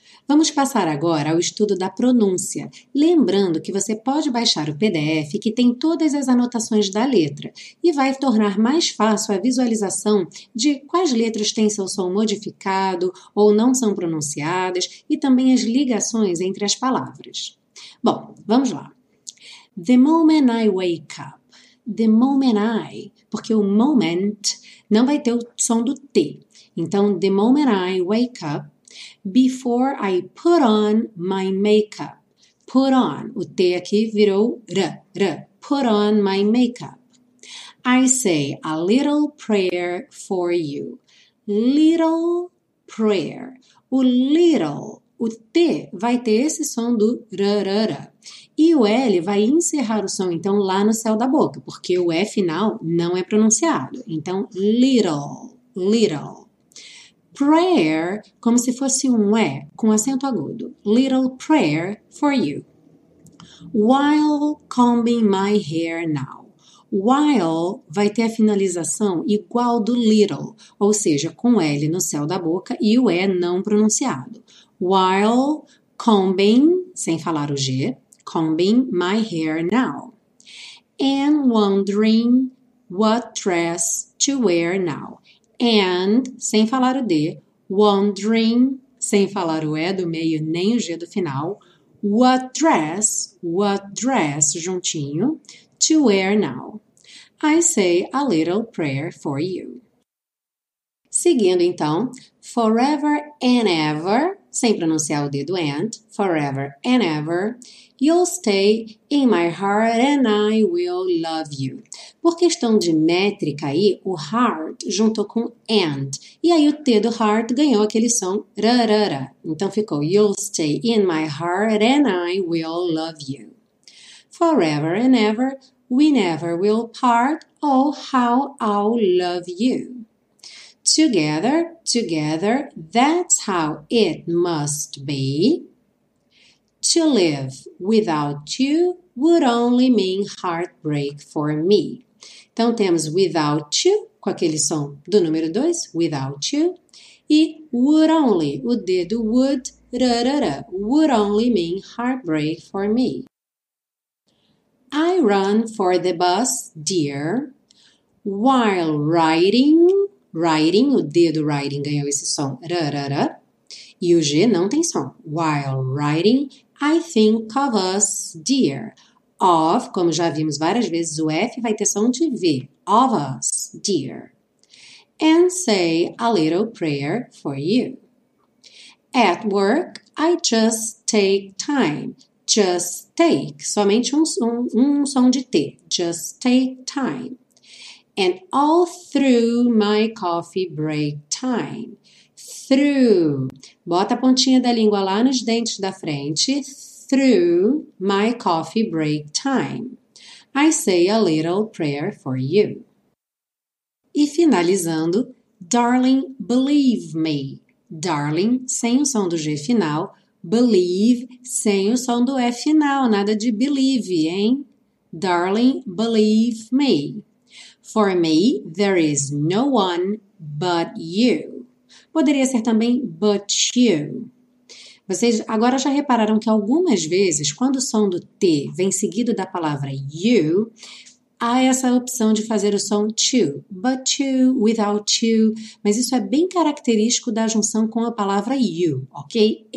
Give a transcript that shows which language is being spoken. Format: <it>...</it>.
<pt>Vamos passar agora ao estudo da pronúncia. Lembrando que você pode baixar o PDF que tem todas as anotações da letra e vai tornar mais fácil a visualização de quais letras têm seu som modificado ou não são pronunciadas e também as ligações entre as palavras. Bom, vamos lá.</pt> <en>The moment I wake up. The moment I,</en> <pt>porque o moment não vai ter o som do T. Então,</pt> <en>the moment I wake up. Before I put on my makeup. Put on.</en> <pt>O T aqui virou R, R.</pt> <en>Put on my makeup. I say a little prayer for you. Little prayer.</en> <pt>O little, o T, vai ter esse som do R, R, R. E o L vai encerrar o som, então, lá no céu da boca, porque o E final não é pronunciado. Então, little, little. Prayer, como se fosse um E, com acento agudo.</pt> <en>Little prayer for you. While combing my hair now.</en> <pt>While vai ter a finalização igual do little, ou seja, com L no céu da boca e o E não pronunciado.</pt> <en>While combing,</en> <pt>sem falar o G,</pt> <en>combing my hair now. And wondering what dress to wear now.</en> <pt>And, sem falar o D, wondering, sem falar o E do meio nem o G do final,</pt> <en>what dress,</en> <pt>juntinho,</pt> <en>to wear now. I say a little prayer for you.</en> <pt>Seguindo então,</pt> <en>forever and ever,</en> <pt>sem pronunciar o dedo</pt> <en>and, forever and ever, you'll stay in my heart and I will love you.</en> <pt>Por questão de métrica aí, o heart juntou com and. E aí o T do heart ganhou aquele som rarara. Então ficou,</pt> <en>you'll stay in my heart and I will love you. Forever and ever, we never will part, oh how I'll love you. Together, together, that's how it must be. To live without you would only mean heartbreak for me.</en> <pt>Então temos</pt> <en>without you,</en> <pt>com aquele som do número 2, without you, e would only, o dedo would, rarara,</pt> <en>would only mean heartbreak for me. I run for the bus, dear, while riding.</en> <pt>Writing, o dedo writing ganhou esse som, rarara. E o G não tem som.</pt> <en>While writing, I think of us, dear.</en> <pt>Of, como já vimos várias vezes, o F vai ter som de V.</pt> <en>Of us, dear. And say a little prayer for you. At work, I just take time.</en> <pt>Just take, somente um som de T.</pt> <en>Just take time. And all through my coffee break time. Through.</en> <pt>Bota a pontinha da língua lá nos dentes da frente.</pt> <en>Through my coffee break time. I say a little prayer for you.</en> <pt>E finalizando,</pt> <en>darling, believe me.</en> <pt>Darling, sem o som do G final. Believe, sem o som do F final. Nada de believe, hein?</pt> <en>Darling, believe me. For me, there is no one but you.</en> <pt>Poderia ser também</pt> <en>but you.</en> <pt>Vocês agora já repararam que algumas vezes, quando o som do T vem seguido da palavra you, há essa opção de fazer o som to,</pt> <en>but you, without you,</en> <pt>mas isso é bem característico da junção com a palavra you, ok?</pt>